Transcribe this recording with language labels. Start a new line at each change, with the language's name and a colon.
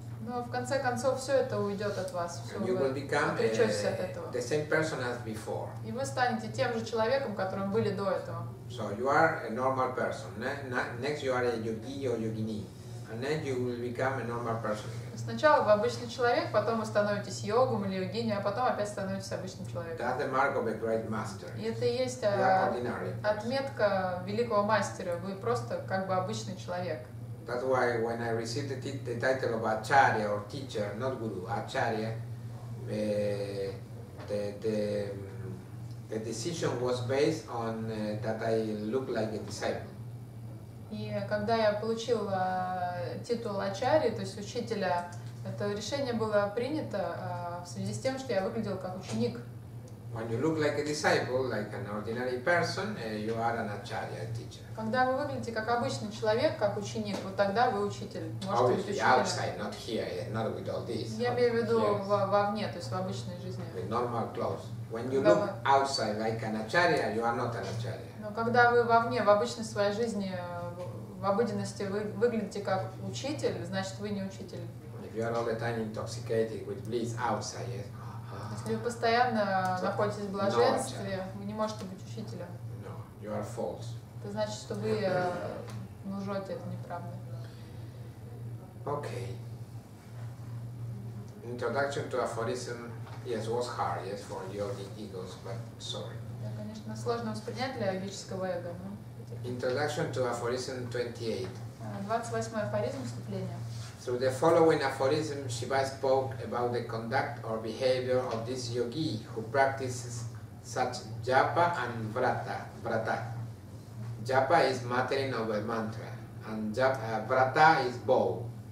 Russian: Но в конце концов все это уйдет от вас, все вы отречетесь от этого.
English: The same person as before.
Russian: И вы станете тем же человеком, которым были до этого.
English: So you are a normal person. Next you are a yogi or yogini, and then you will become a normal person.
Russian: Сначала вы обычный человек, потом вы становитесь йогом или йогини, а потом опять становитесь обычным человеком.
English: That's the mark of a great master.
Russian: И это и есть отметка великого мастера. Вы просто как бы обычный человек.
English: That's why when I received the title of acharya or teacher, not guru, acharya, the decision was based on that I look like a disciple.
Russian: И когда я получил титул ачарьи, то есть учителя, это решение было принято в связи с тем, что я выглядел как ученик.
English: When you look like a disciple, like an ordinary person, you are an acharya, a teacher.
Russian: Когда вы выглядите как обычный человек, как ученик, вот тогда вы учитель. Можете быть учителем.
English: Outside, not here, not with all this.
Russian: Я имею в виду вовне, то есть в обычной жизни.
English: With normal clothes. When you look outside like an acharya, you are not an acharya.
Russian: Но когда вы вовне, в обычной своей жизни, в обыденности вы выглядите как учитель, значит вы не учитель.
English: If you are all the time intoxicated with bliss outside, yes.
Russian: Если вы постоянно находитесь в блаженстве, вы не можете быть учителем.
English: No, you are false.
Russian: Это значит, что вы лжете, это неправда.
English: Okay. Introduction to aphorism, yes, was hard, yes, for yogic egos, but sorry.
Russian: Да, конечно, сложно воспринять для йогического эго, но...
English: Introduction to aphorism 28.
Russian: 28-й афоризм, вступление.
English: Through the following aphorism, Shiva spoke about the conduct or behavior of this yogi who practices such japa and vrata. Japa is muttering of a mantra, and vrata is bow.